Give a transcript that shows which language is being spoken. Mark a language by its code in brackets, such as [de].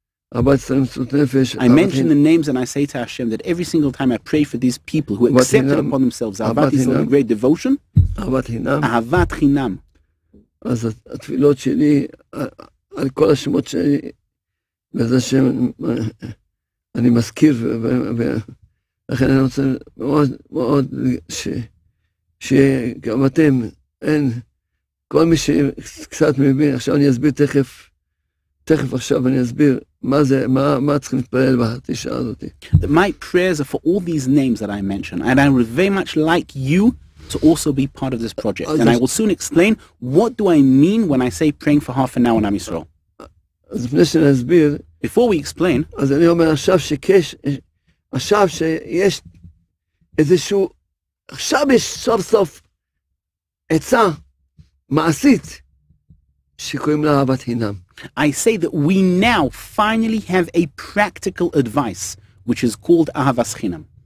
[en] I mention the names and I say to Hashem that every single time I pray for these people who accepted upon themselves Ahavat Yisrael with great devotion, Ahavat Chinam. [he] אז התפילות שלי על כל השמות שלי וזה שם אני מזכיר ולכן אני רוצה מאוד מאוד שגם אתם אין כל מי שקצת מבין עכשיו אני אסביר תכף עכשיו אני אסביר מה זה, מה צריכים להתפלל בתשעה הזאת. [en] That my prayers are for all these names that I mentioned and I would very much like you to also be part of this project and I will soon explain what do I mean when I say praying for half an hour in Am Yisrael. [he] אז לפני שאני אסביר, [en] before we explain, [he] אז אני אומר עכשיו עכשיו שיש איזשהו, עכשיו יש סוף סוף עצה מעשית שקוראים לה אהבת חינם. [en] I say that we now finally have a practical advice which is called Ahavas Chinam.